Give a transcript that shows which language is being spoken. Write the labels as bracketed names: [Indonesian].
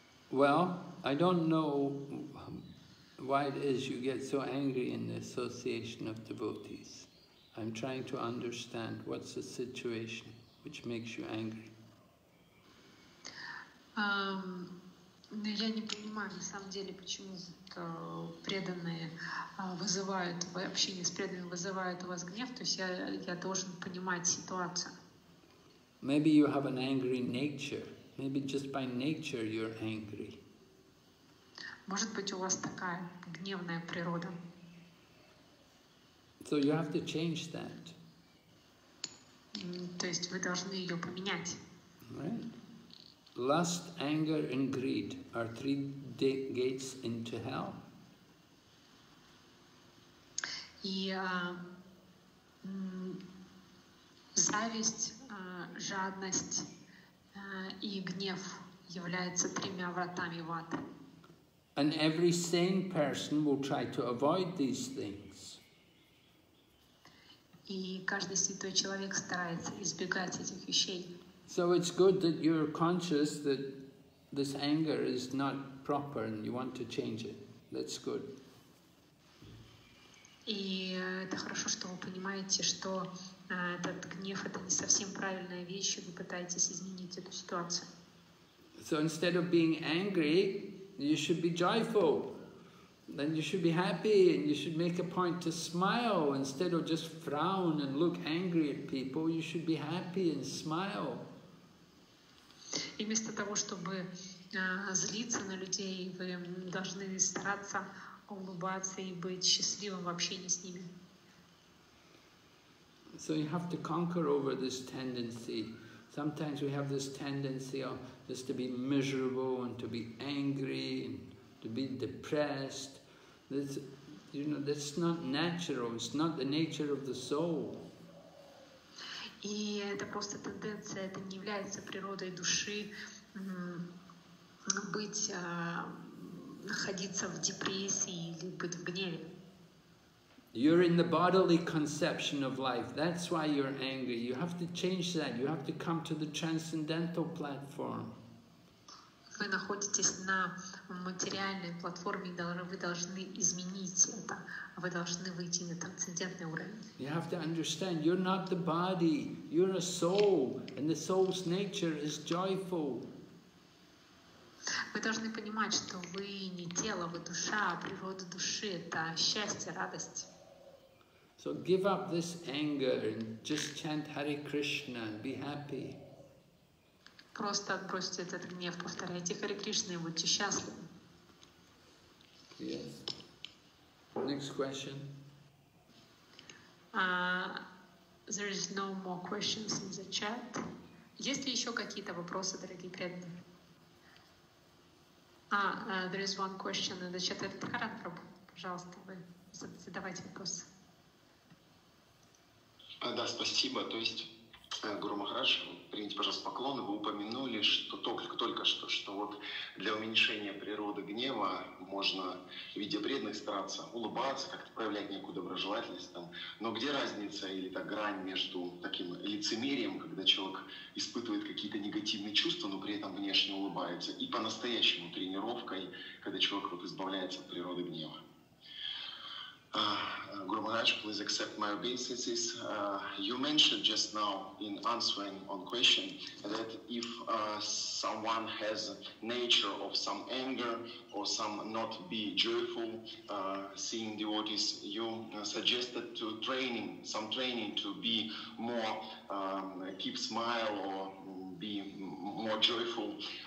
[English] Well, I don't know why it is you get so angry in the association of devotees. I'm trying to understand what's the situation which makes you angry. [Russian] Но я не понимаю, на самом деле, почему преданные вызывают, общение с преданными вызывает у вас гнев, то есть я должен понимать ситуацию. [English] Maybe you have an angry nature. Maybe just by nature you're angry. [Russian] Может быть, у вас такая гневная природа. [English] So you have to change that. [Russian] То есть вы должны ее поменять. [English] Right. Lust, anger, and greed are three gates into hell. [Russian] И зависть, жадность и гнев являются тремя вратами в ад. [English] And every sane person will try to avoid these things. [Russian] И каждый святой человек старается избегать этих вещей. [English] So it's good that you're conscious that this anger is not proper and you want to change it. That's good. [Russian] И это хорошо, что вы понимаете, что этот гнев это не совсем правильная вещь, и вы пытаетесь изменить эту ситуацию. [English] So instead of being angry, you should be joyful. Then you should be happy and you should make a point to smile instead of just frown and look angry at people. You should be happy and smile. [Russian] И вместо того, чтобы злиться на людей, вы должны стараться улыбаться и быть счастливым в общении с ними. [English] So you have to conquer over this tendency. Sometimes we have this tendency of just to be miserable and to be angry and to be depressed. This, you know, that's not natural. It's not the nature of the soul. [Russian] И это просто тенденция, это не является природой души быть, находиться в депрессии или быть в гневе. [English] You're in the bodily conception of life. That's why you're angry. You have to change that. You have to come to the transcendental platform. [Russian] Вы находитесь на материальной платформе, вы должны изменить это. Вы должны выйти на трансцендентный уровень. [English] You have to understand, you're not the body, you're a soul, and the soul's nature is joyful. [Russian] Вы должны понимать, что вы не тело, вы душа, а природа души — это счастье, радость. [English] So give up this anger and just chant Hare Krishna and be happy. [Russian] Просто отбросьте этот гнев, повторяйте Хари Кришна и будьте счастливы. [English] Yes. Next question. There is no more questions in the chat. [Russian] Есть ли еще какие-то вопросы, дорогие преданные? [English] There is one question in the chat. [Russian] Харат Прабху, пожалуйста, вы задавайте вопрос. Да, спасибо. То есть, Гуру Махарадж, примите, пожалуйста, поклон. Вы упомянули, что только что, вот для уменьшения природы гнева можно в виде преданных стараться улыбаться, как-то проявлять некую доброжелательность там. Но где разница или та грань между таким лицемерием, когда человек испытывает какие-то негативные чувства, но при этом внешне улыбается, и по-настоящему тренировкой, когда человек вот избавляется от природы гнева? [English] Guru Maharaj, please accept my obeisances. You mentioned just now in answering on question that if someone has nature of some anger or some not be joyful seeing devotees, you suggested to training, some training to be more, keep smile or be more joyful.